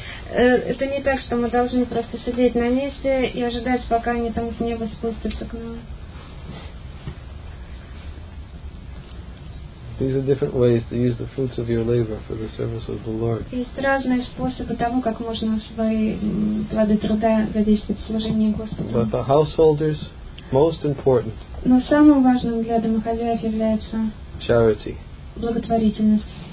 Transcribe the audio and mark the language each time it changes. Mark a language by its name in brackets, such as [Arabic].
[Russian] Это не так, что мы должны просто сидеть на месте и ожидать, пока они там с неба спустятся к нам. [English] These are different ways to use the fruits of your labor for the service of the Lord. [Russian] Есть разные способы того, как можно свои плоды труда задействовать в служении Господу. [English] But the householders, most important. [Russian] Но самым важным для домохозяев является [English] charity. [Russian] Благотворительность.